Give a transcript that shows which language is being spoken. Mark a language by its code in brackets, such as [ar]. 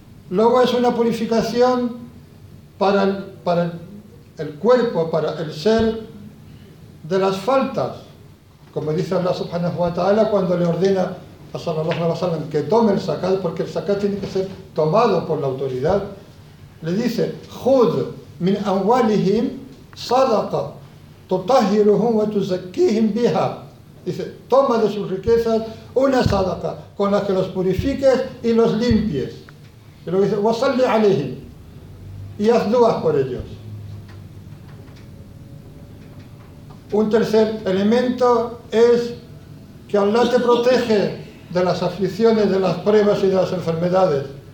[es] Luego es una purificación para el cuerpo, para el ser, de las faltas, como dice Allah subhanahu wa ta'ala cuando le ordena a sallallahu alaihi wa sallam que tome el zakat, porque el zakat tiene que ser tomado por la autoridad. Le dice, [ar] خُذْ مِنْ أَمْوَالِهِمْ صَدَقَ تُطَهِّرُهُمْ وَتُزَكِّيهِمْ بِهَا. [es] Dice, toma de sus riquezas una sadaqa con la que los purifiques y los limpies. Y luego dice, [ar] وَصَلِّ عَلَيْهِمْ, [es] y haz duas por ellos. Un tercer elemento es que Allah te protege de las aflicciones, de las pruebas y de las enfermedades.